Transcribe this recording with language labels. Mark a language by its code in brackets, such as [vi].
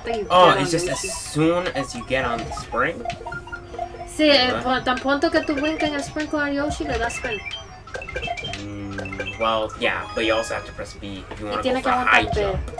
[en] Oh, it's just as soon as you get on the spring? [es] Sí, tan pronto que tú brincas en el sprinkler Yoshi, le das spin. [en] Well, yeah, but you also have to press B if you want to go for a high jump.